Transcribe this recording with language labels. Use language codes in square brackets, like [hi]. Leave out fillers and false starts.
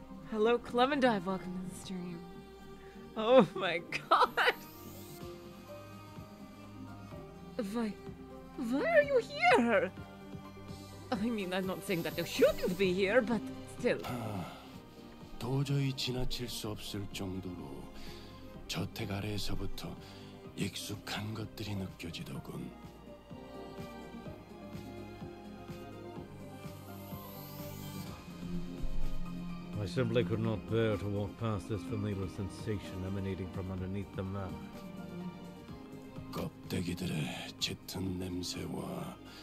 [en] Hello, Clementine. Welcome to the stream. Oh my god. Why are you here? I mean, I'm not saying that you shouldn't be here, but still. [ko] 도저히 지나칠 수 없을 정도로 저택 아래에서부터 익숙한 것들이 느껴지더군. 군. [en] I simply could not bear to walk past this familiar sensation emanating from underneath the mat. [ko] 껍데기들의 짙은 냄새와